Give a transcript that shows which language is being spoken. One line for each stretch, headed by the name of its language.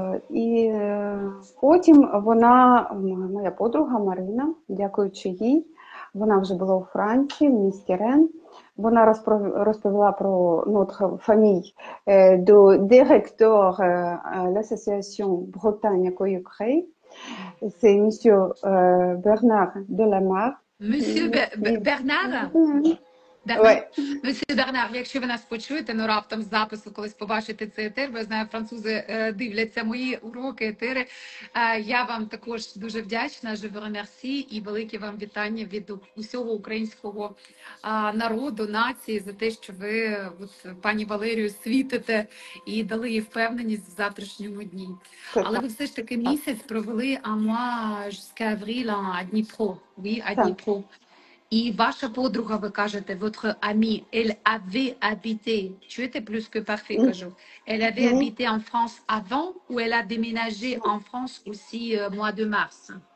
Ukrainian: І потім вона, моя подруга Марина, дякуючи їй, вона вже була у Франції, в місті Рен. Вона розповіла про
French: notre famille
Ukrainian: до директор l'association Bretagne accueil Ukraine. Це місьо Бернар Деламар. Місьо Бернар? Месье Бернар, якщо ви нас почуєте, ну раптом з запису колись побачите цей етер, бо я знаю, французи дивляться мої уроки, етери. Я вам також дуже вдячна,
French: je vous remercie,
Ukrainian: і велике вам вітання від усього українського народу, нації, за те, що ви, от, пані Валерію, світите і дали їй впевненість в завтрашньому дні. Але ви все ж таки місяць провели
French: à moi jusqu'à avril à Dnipro. Oui, à Dnipro.
Ukrainian: І ваша подруга, ви кажете,
French: votre amie, elle avait habité,
Ukrainian: чуєте,
French: plus que parfait,
Ukrainian: кажу,
French: elle avait habité en France avant ou elle a déménagé en France aussi mois de mars?